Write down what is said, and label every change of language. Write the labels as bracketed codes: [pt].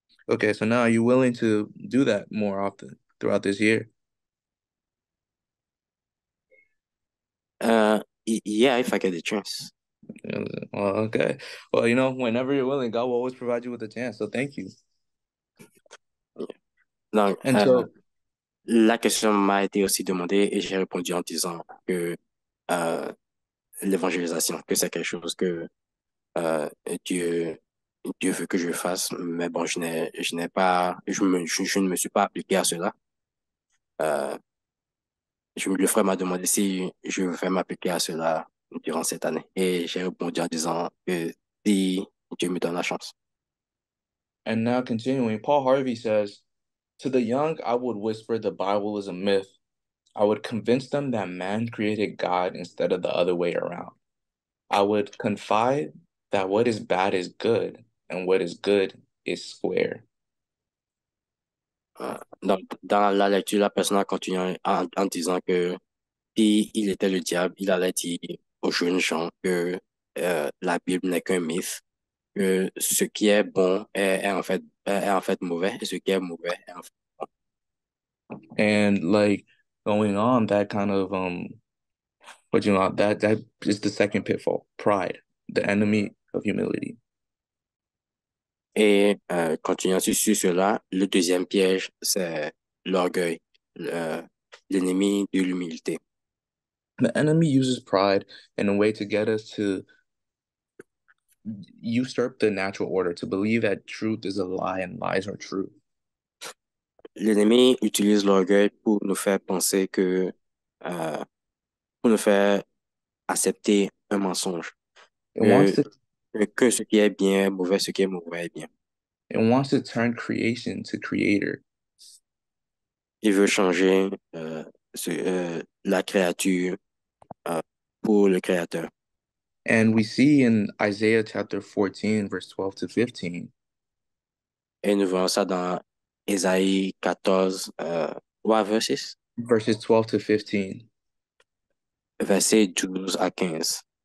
[en] Okay, so now are you willing to do that more often throughout this year? Yeah, if I get the chance. Well, okay. Well, you know, whenever you're willing, God will always provide you with a chance. So thank you. [fr] Non, la question m'a été aussi demandée et j'ai répondu en disant que l'évangélisation, que c'est quelque chose que Dieu veut que je fasse, mais bon, je ne me suis pas appliqué à cela. Le frère m'a demandé si je vais m'appliquer à cela durant cette année et j'ai répondu en disant que si Dieu me donne la chance. [en] And now continuing, Paul Harvey says, to the young, I would whisper the Bible is a myth. I would convince them that man created God instead of the other way around. I would confide that what is bad is good and what is good is square. [fr] Donc, dans la lecture, la personne a continué en disant que s'il était le diable, il allait dire aux jeunes gens que la Bible n'est qu'un mythe. Que ce qui est bon est en fait mauvais, et ce qui est mauvais est en fait bon. [en] And like going on, that kind of that is the second pitfall, pride, the enemy of humility. [fr] Et continuant sur cela, le deuxième piège, c'est l'orgueil, l'ennemi de l'humilité. [en] The enemy uses pride in a way to get us to usurp the natural order, to believe that truth is a lie and lies are truth. [fr] L'ennemi utilise l'orgueil pour nous faire penser que, pour nous faire accepter un mensonge. Que ce qui est bien est mauvais, ce qui est mauvais est bien. [en] It wants to turn creation to creator. [fr] Il veut changer la créature pour le créateur. [en] And we see in Isaiah chapter 14, verse 12 to 15. [fr] Et nous voyons ça dans Isaïe 14, verses? [en] Verses 12 to 15. [fr] Verset 12 à 15.